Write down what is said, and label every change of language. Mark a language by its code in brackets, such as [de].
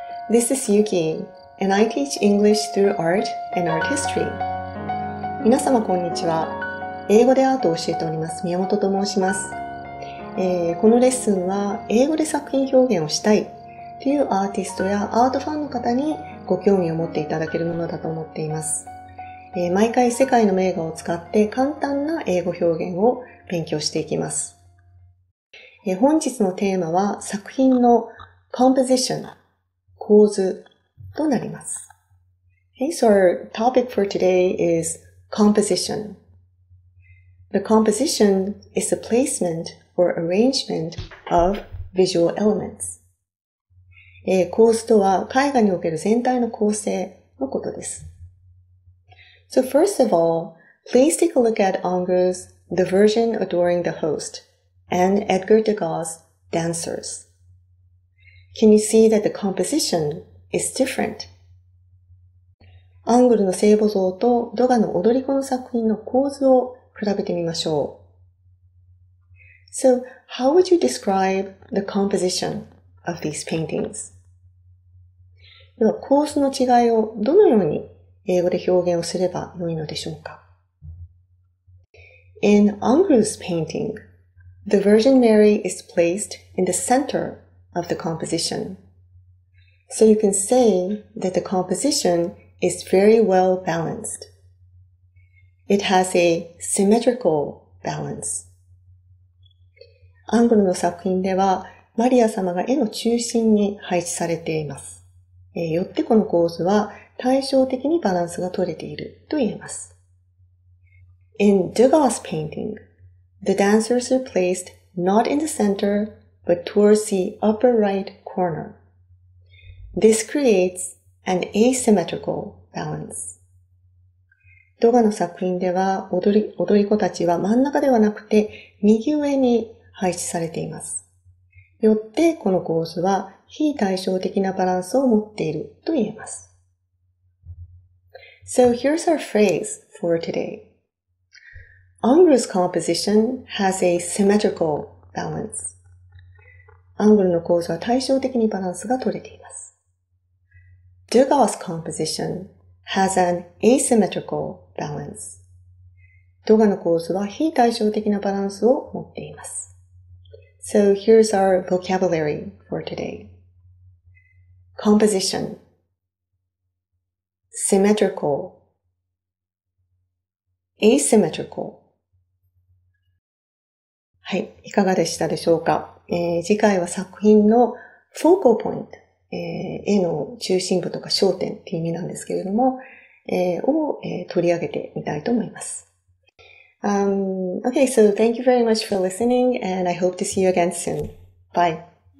[en] This is Yuki, and I teach English through art and art history. [ja] 皆様こんにちは。英語でアートを教えております、宮本と申します。このレッスンは英語で作品表現をしたいというアーティストやアートファンの方にご興味を持っていただけるものだと思っています。毎回世界の名画を使って簡単な英語表現を勉強していきます。本日のテーマは作品のComposition, 構図となります。 [en] Okay, so our topic for today is composition. The composition is the placement or arrangement of visual elements. [ja] 構図とは絵画における全体の構成のことです。 [en] So first of all, please take a look at Unger's The Virgin Adoring the Host and Edgar Degas's Dancers. Can you see that the composition is different? [ja] アングルの聖母像とドガの踊り子の作品の構図を比べてみましょう。 [en] So, how would you describe the composition of these paintings? [ja] では、構図の違いをどのように英語で表現をすればよいのでしょうか? [en] In Angru's painting, the Virgin Mary is placed in the center. Of the composition. So you can say that the composition is very well balanced. It has a symmetrical balance. [ja] アングルの作品ではマリア様が絵の中心に配置されています。よってこの構図は対照的にバランスが取れていると言えます。 [en] In Degas' painting, the dancers are placed not in the center,but towards the upper right corner. This creates an asymmetrical balance. [ja] ドガの作品では踊り子たちは真ん中ではなくて右上に配置されています。よってこの構図は非対照的なバランスを持っていると言えます。 [en] So here's our phrase for today. Unger's composition has a symmetrical balance. [ja] アングルの構図は対照的にバランスが取れています。 [en] Degas' composition has an asymmetrical balance. [ja] ドガの構図は非対照的なバランスを持っています。 [en] So here's our vocabulary for today. Composition Symmetrical Asymmetrical [ja] はい、いかがでしたでしょうか?次回は作品のフォーカルポイント、絵の中心部とか焦点っていう意味なんですけれども、取り上げてみたいと思います。 [en] Okay, so thank you very much for listening and I hope to see you again soon. Bye!